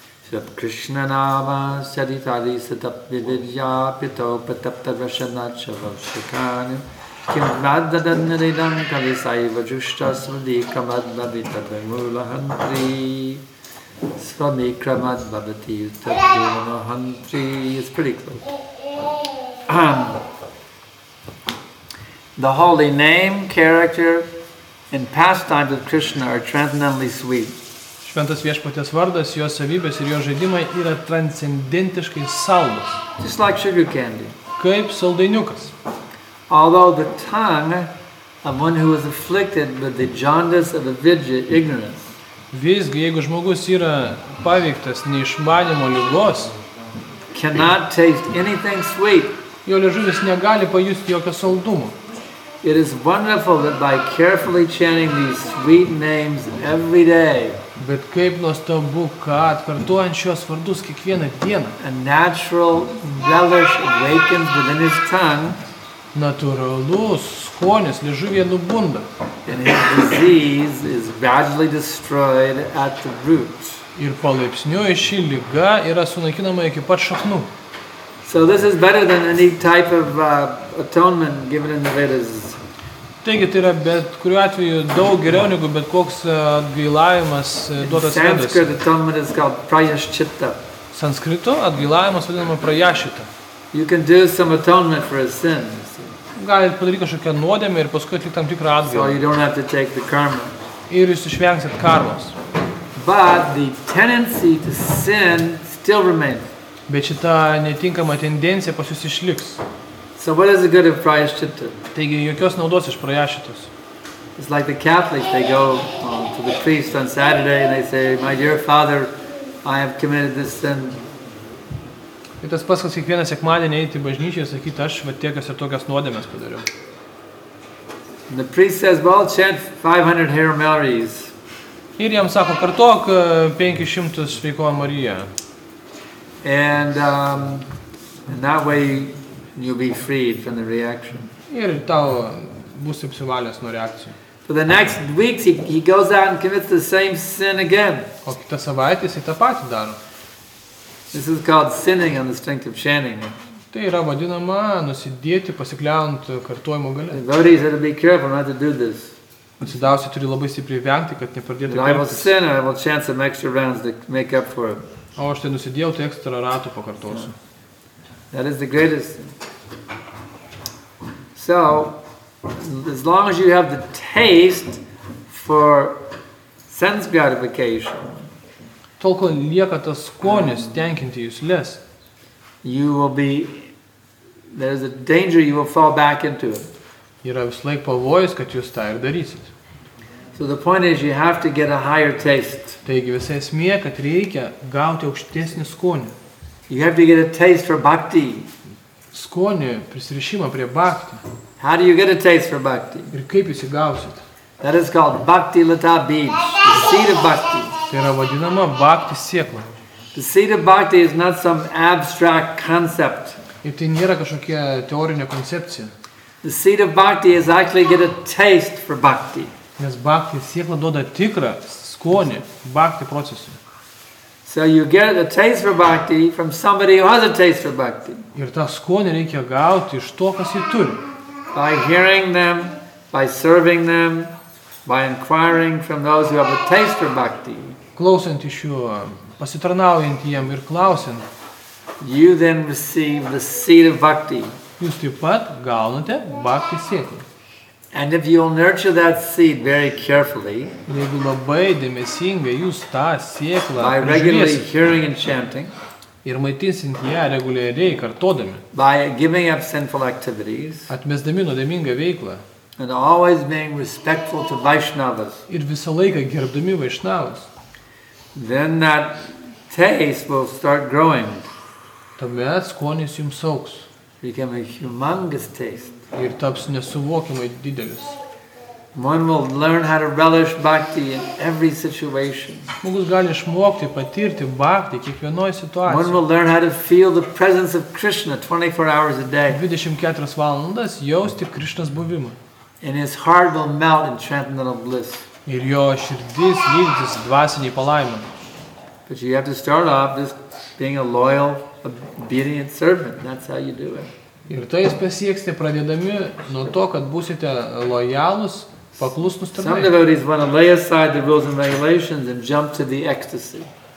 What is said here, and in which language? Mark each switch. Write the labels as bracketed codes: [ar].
[sa] Sat Krishna Nama Saritari Satapya Vidya Pito Patapta Vashana Chavav Shikani Kim Vada Dandaridam Kali Saiva Jushta Svadi Kamad Vavita Vemula Hantri Svami Kramad Vavati Utadvima Hantri. [en] It's pretty close. The holy name, character, in pastimes of Krishna are transcendently sweet. [lt] Šventas viešpaties vardas, jo savybės ir jo žaidimai yra transcendentiškai saldus. [en] Just like sugar candy. [lt] Kaip saldainiukas. [en] Although the tongue of one who is afflicted with the jaundice of avidya, ignorance. [lt] Visgi, jeigu žmogus yra paveiktas neišmanimo ligos, [en] cannot taste anything sweet. [lt] Jo liežuvis negali pajusti jokio saldumo. [en] It is wonderful that by carefully chanting these sweet names every day, [lt] bet kaip nuostabu, kad kartuojant šios vardus kiekvieną dieną, [en] a natural relish awakens within his tongue, [lt] natūralus skonis liežuvyje nubunda, [en] and his disease is gradually destroyed at the root. [lt] Ir palaipsniui ši liga yra sunaikinama iki pat šaknų. [en] So this is better than any type of atonement given in the Vedas. [lt] Taigi tai yra bet kuriuo atveju daug geriau negu bet koks atgailavimas duotas Vedose. [en] Sanskrit atonement is called prayaschitta. [lt] Sanskrito atgailavimas vadinama prayaschitta. [en] You can do some atonement for a sin. [lt] Galit padaryti kažkokią nuodėmę ir paskui atlikti tam tikrą atgailą. [en] So you don't have to take the karma. [lt] Ir jūs išvengsit karmos. [en] But the tendency to sin still remains. [lt] Bet šita netinkama tendencija pas jūs išliks. [en] So what is the good of prayaschitta? [lt] Taigi jokios naudos iš prayaschitos. [en] It's like the Catholics, they go to the priest on Saturday and they say, my dear father, I have committed this sin. [lt] Ir tas pats, kas kiekvieną sekmadienį eiti į bažnyčią ir sakyti, aš va tiekas ir tokias nuodėmes padariau. [en] The priest says, well, chant 500 Hail Marys. [lt] Ir jam sako, kartok 500 sveiko Mariją. [en] And that way you'll be freed from the reaction. [lt] Ir tau bus apsivalęs nuo reakcijų. [en] For the next weeks he goes out and commits the same sin again. [lt] O kitą savaitę jis tą patį daro. [en] This is called sinning on the strength of chanting. [lt] Tai yra vadinama nusidėti pasikliaujant kartojimo galia. [en] Devotees have to be careful not to do this. [lt] Atsidavusi turi labai stipriai vengti, kad nepradėtų kartoti. [en] I will sin, I will chant some extra rounds to make up for it. [lt] O aš tai nusidėjau, tai ekstra ratų pakartosiu. [en] That is the greatest. So, as long as you have the taste for sense gratification, [lt] tol kol lieka tas skonis tenkinti jūsles, [en] there is a danger you will fall back into it. [lt] Yra vis laik pavojus, kad jūs tai ir darysit. [en] So the point is you have to get a higher taste. [lt] Taigi visa esmė, kad reikia gauti aukštesnį skonį. [en] You have to get a taste for bhakti. [lt] Skonį, prisirišimą prie bhakti. [en] How do you get a taste for bhakti? [lt] Ir kaip jūs įgausit? [en] That is called bhakti lata beach, the seed of bhakti. [lt] Tai yra vadinama bhakti sėkla. [en] The seed of bhakti is not some abstract concept. [lt] Ir tai nėra kažkokia teorinė koncepcija. [en] The seed of bhakti is actually get a taste for bhakti. [lt] Nes bhakti sėkla duoda tikrą skonį bhakti procesui. [en] So you get a taste for bhakti from somebody who has a taste for bhakti. [lt] Ir tą skonį reikia gauti iš to, kas jį turi. [en] By hearing them, by serving them, by inquiring from those who have a taste for bhakti. [lt] Klausant iš jų, pasitarnaujant jiem ir klausiant. [en] You then receive the seed of bhakti. [lt] Jūs taip pat gaunate bhakti sėklą. [en] And if you'll nurture that seed very carefully, [lt] jeigu labai dėmesingai jūs tą sėklą [en] by regularly hearing and chanting, [lt] ir maitinsint ją reguliariai kartodami, [en] by giving up sinful activities, [lt] atmesdami nuodėmingą veiklą, [en] and always being respectful to Vaishnavas, [lt] ir visą laiką gerbdami Vaishnavas, [en] then that taste will start growing. [lt] Tuomet skonis jums augs. [en] Become a humongous taste. [lt] Ir taps nesuvokimai didelis. [en] One will learn how to relish bhakti in every situation. [lt] Žmogus gali išmokti patirti bhakti kiekvienoje situacijoje. [en] One will learn how to feel the presence of Krishna 24 hours a day. [lt] 24 valandas jausti Krishnas buvimą. [en] And his heart will melt in transcendental bliss. [lt] Ir jo širdis lydys dvasinį palaiminimą. [en] But you have to start off just being a loyal, obedient servant. That's how you do it. [lt] Ir tai jūs pasieksite pradėdami nuo to, kad būsite lojalūs, paklusnūs tarnai. [en] Some devotees want to lay aside the rules and regulations and jump to the ecstasy.